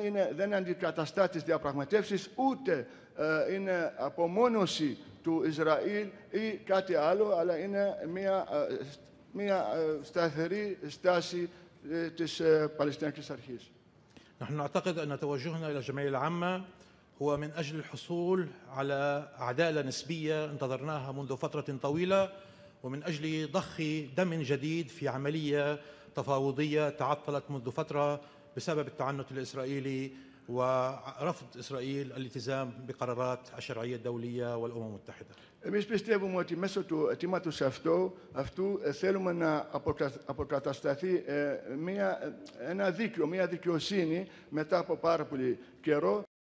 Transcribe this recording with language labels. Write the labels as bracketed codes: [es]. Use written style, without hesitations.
[el] δεν αντικαταστάτης διαπραγματεύσεις, ούτε είναι απομόνωση του Ισραήλ ή κάτι άλλο, αλλά είναι μια σταθερή στάση της Παλαιστινιακής Αρχής. [ar] نحن نعتقد أن توجهنا إلى الجمعية العامة هو من أجل الحصول على عدالة نسبية انتظرناها منذ فترة طويلة ومن أجل ضخ دم جديد في عملية تفاوضية تعطلت منذ فترة بسبب التعنت الإسرائيلي ورفض إسرائيل الالتزام بقرارات الشرعية الدولية والأمم المتحدة. [el] Εμείς πιστεύουμε ότι μέσω του αιτήματος αυτού θέλουμε να αποκατασταθεί ένα δίκαιο, μια δικαιοσύνη μετά από πάρα πολύ καιρό.